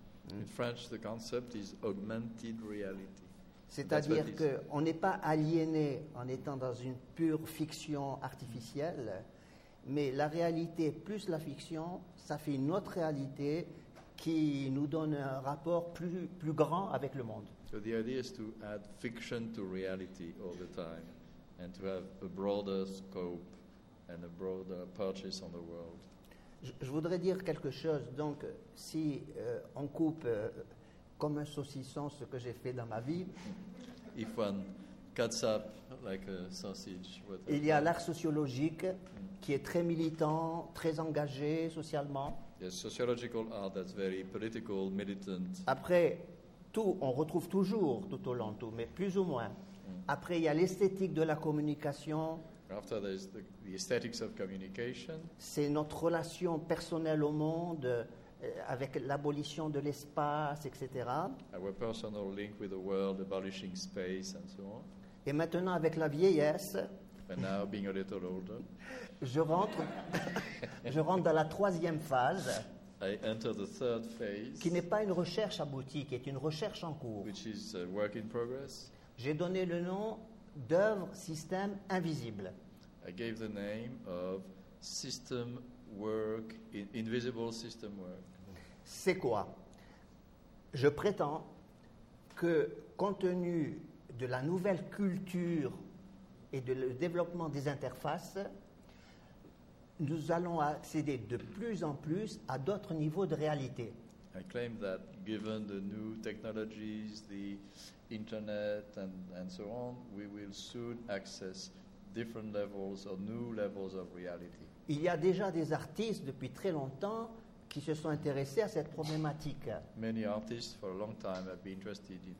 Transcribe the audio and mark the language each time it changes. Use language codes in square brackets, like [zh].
[en] In French, the concept is augmented reality. [fr] C'est-à-dire qu'on n'est pas aliéné en étant dans une pure fiction artificielle. Mais la réalité plus la fiction, ça fait une autre réalité qui nous donne un rapport plus grand avec le monde. [en] So the idea is to add fiction to reality all the time and to have a broader scope and a broader purchase on the world. [fr] Je voudrais dire quelque chose. Donc, si on coupe comme un saucisson ce que j'ai fait dans ma vie, [en] if one cuts up like a sausage, whatever. [fr] Il y a l'art sociologique qui est très militant, très engagé socialement. [en] Yes, sociological art that's very political, militant. [fr] Après, tout, on retrouve toujours tout au long, tout, mais plus ou moins. Après, il y a l'esthétique de la communication. [en] After there's the aesthetics of communication. [fr] C'est notre relation personnelle au monde, avec l'abolition de l'espace, etc. [en] Our personal link with the world, abolishing space, and so on. [fr] Et maintenant, avec la vieillesse, [en] and now being a little older, [fr] je rentre dans la troisième phase. [en] I enter the third phase, [fr] qui n'est pas une recherche aboutie, qui est une recherche en cours. [en] Which is a work in progress. [fr] J'ai donné le nom d'œuvre système invisible. [en] I gave the name of system work, invisible system work. [fr] C'est quoi? Je prétends que, compte tenu de la nouvelle culture et de le développement des interfaces, nous allons accéder de plus en plus à d'autres niveaux de réalité. [en] I claim that given the new technologies, the internet and so on, we will soon access different levels or new levels of reality. [fr] Il y a déjà des artistes depuis très longtemps qui se sont intéressés à cette problématique. [en] Many artists for a long time have been interested in